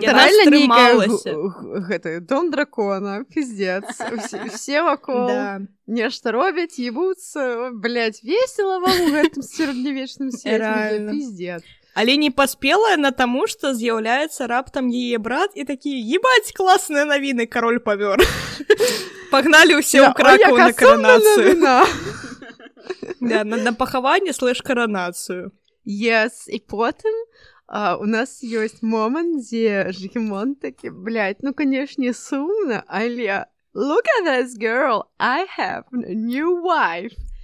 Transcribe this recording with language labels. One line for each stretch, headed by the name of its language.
Belarusian: Блядь, реально нейкая, дом дракона, пиздец, все вакол. Да. Нешта робяць, ебуцца, блядь, весела вам у гэтым сярэднявечным свеце, пиздец. Але не паспела яна таму, што з'яўляецца раптам яе брат і такі, ебаць, класныя навіны, кароль павёр. Пагналі ўсе ў Кракаў на каранацыю. Да, на пахаванне слэш каранацыю. Yes, і потым у нас ёсць момант, дзе Жыгімонт такі, блядь, ну, канешне, сумна, але...
English: Look at this girl, I have a new wife.